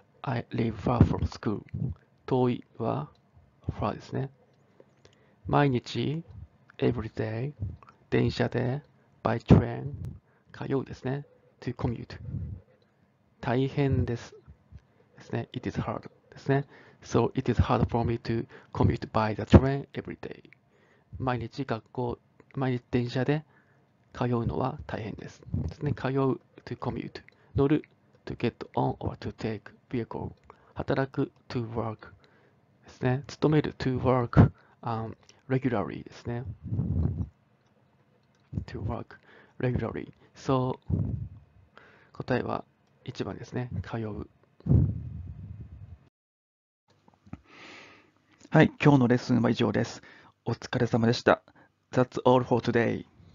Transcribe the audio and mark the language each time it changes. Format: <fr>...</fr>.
<en>I live far from school。</en> <ja>遠いは far ですね。毎日</ja> <en>every day</en> <ja>電車で</ja> <en>by train</en> <ja>通うですね。</ja> <en>to commute</en> <ja>大変ですですね。</ja> <en>it is hard ですね。 so it is hard for me to commute by the train every day</en> <ja>毎日学校毎日電車で通うのは大変ですですね。</ja> <en>通う to commute 乗る to get on or to take vehicle 働く to work ですね勤める to work、regularly ですね to work regularly</en> <ja>そう答えは1番ですね通うはい今日のレッスンは以上ですお疲れ様でした</ja> <en>That's all for today</en>